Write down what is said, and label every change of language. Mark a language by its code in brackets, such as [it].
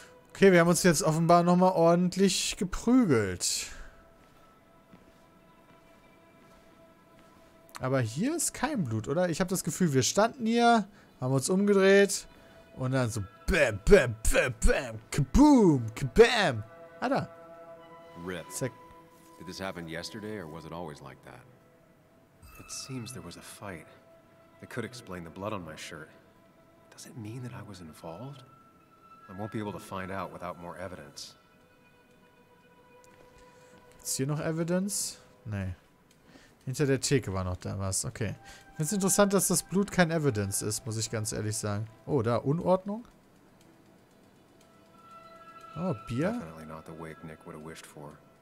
[de] Okay, wir haben uns jetzt offenbar nochmal ordentlich geprügelt. Aber hier ist kein Blut, oder? Ich habe das Gefühl, wir standen hier, haben uns umgedreht und dann so bam, bam, bam, bam, kaboom, kabam. Ah, da. Rip. [en] Did this happen yesterday or was it always like that? It seems there was a fight. It could explain the blood on my shirt. Does it mean that I was involved? I won't be able to find out without more evidence. [de] Gibt's hier noch Evidence? Nee. Hinter der Theke war noch da was. Okay. Ich finde es interessant, dass das Blut kein Evidence ist, muss ich ganz ehrlich sagen. Oh, da Unordnung. Oh, Bier. [en] Definitely not the wake Nick would have wished for.